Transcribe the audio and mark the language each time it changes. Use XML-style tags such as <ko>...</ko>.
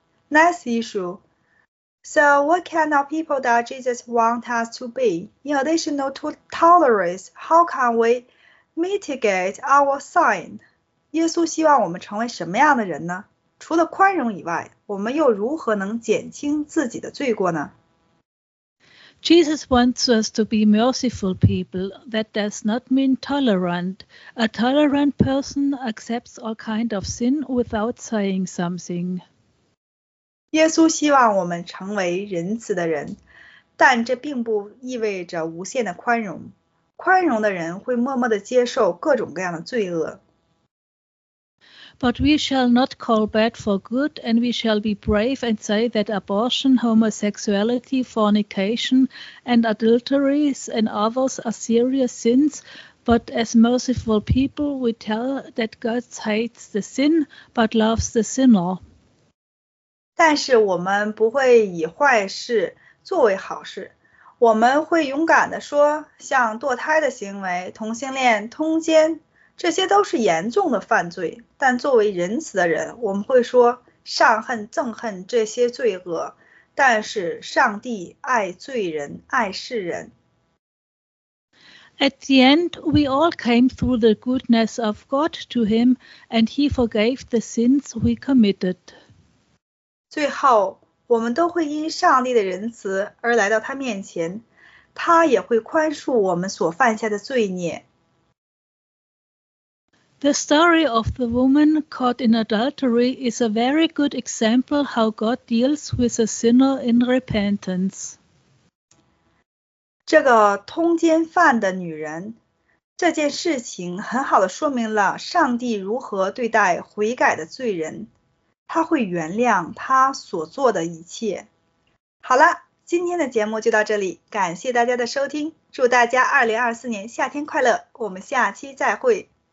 <en>Next issue. So what kind of people does Jesus want us to be? In addition to tolerance, how can we mitigate our sin?</en> <zh>耶稣希望我们成为什么样的人呢？除了宽容以外，我们又如何能减轻自己的罪过呢？</zh> <en>Jesus wants us to be merciful people. That does not mean tolerant. A tolerant person accepts all kind of sin without saying something.</en> <zh>耶稣希望我们成为仁慈的人，但这并不意味着无限的宽容。宽容的人会默默地接受各种各样的罪恶。</zh> <en>But we shall not call bad for good, and we shall be brave and say that abortion, homosexuality, fornication, and adulteries and others are serious sins. But as merciful people, we tell that God hates the sin but loves the sinner.</en> <zh>但是我们不会以坏事作为好事，我们会勇敢地说，像堕胎的行为、同性恋、通奸，这些都是严重的犯罪。但作为仁慈的人，我们会说，上恨憎恨这些罪恶，但是上帝爱罪人，爱世人。</zh> <en>At the end, we all came through the goodness of God to Him, and He forgave the sins we committed.</en> <zh>最后，我们都会因上帝的仁慈而来到他面前，他也会宽恕我们所犯下的罪孽。</zh> <en>The story of the woman caught in adultery is a very good example how God deals with a sinner in repentance.</en> <zh>这个通奸犯的女人，这件事情很好的说明了上帝如何对待悔改的罪人，他会原谅他所做的一切。好了，今天的节目就到这里，感谢大家的收听，祝大家2024年夏天快乐，我们下期再会。</zh>